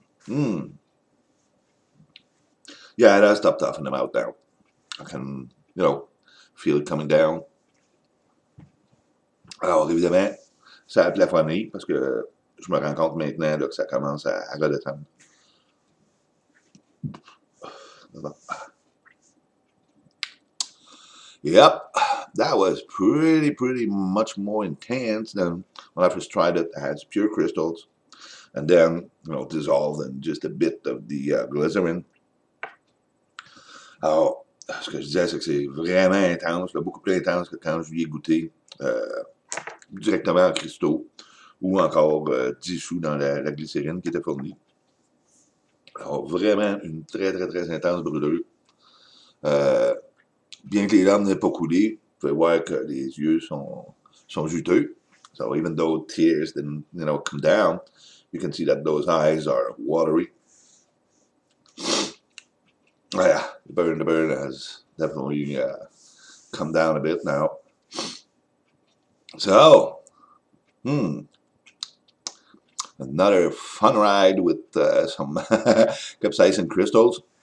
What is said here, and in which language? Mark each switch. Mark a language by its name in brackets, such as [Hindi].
[English] Yeah, it has stopped off in the mouth now. I can, feel it coming down. [French] Alors, évidemment, ça a plafonné parce que je me rends compte maintenant là, que ça commence à redescendre. [English] Yep, that was pretty, pretty much more intense than when I first tried it. I had pure crystals and then, dissolved in just a bit of the glycerin. [French] Alors, ce que je disais, c'est que c'est vraiment intense, beaucoup plus intense que quand je l'ai goûté directement en cristaux ou encore dissous dans la glycérine qui était fournie. Alors, vraiment une très, très, très intense brûlure. Bien que les larmes n'aient pas coulé, vous pouvez voir que les yeux sont juteux. [English] So even though tears didn't, come down, You can see that those eyes are watery. Yeah, the burn has definitely come down a bit now. So, another fun ride with some capsaicin crystals.